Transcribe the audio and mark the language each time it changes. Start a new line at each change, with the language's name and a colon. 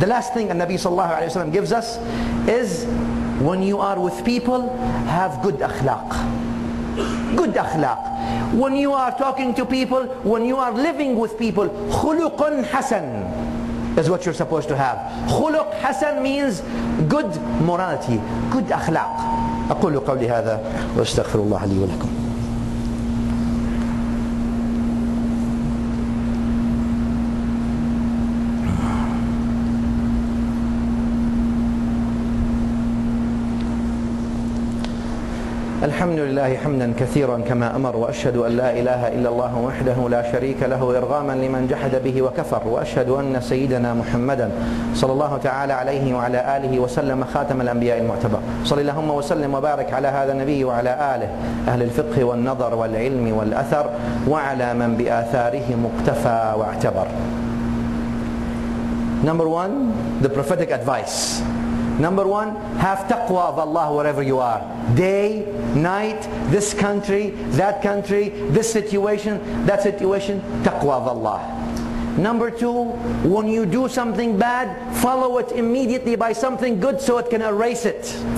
English: The last thing
Arabic: النبي صلى الله عليه وسلم
English: gives us is, when you are with people, have good akhlaq. Good akhlaq. When you are talking to people, when you are living with people, خلق حسن is what you're supposed to have. خلق حسن means good morality, good akhlaq.
Arabic: أقول قولي هذا واستغفر الله لي ولكم. الحمد لله حمدا كثيرا كما أمر, وأشهد أن لا إله إلا الله وحده لا شريك له, إرغاما لمن جحد به وكفر, وأشهد أن سيدنا محمدا صلى الله تعالى عليه وعلى آله وسلم خاتم الأنبياء المعتبر. صلى اللهم وسلم وبارك على هذا النبي وعلى آله أهل الفقه والنظر والعلم والأثر, وعلى من بآثاره مقتفى واعتبر.
English: Number one, the prophetic advice. Number one, have taqwa of Allah wherever you are. Day, night, this country, that country, this situation, that situation, taqwa of Allah. Number two, when you do something bad, follow it immediately by something good so it can erase it.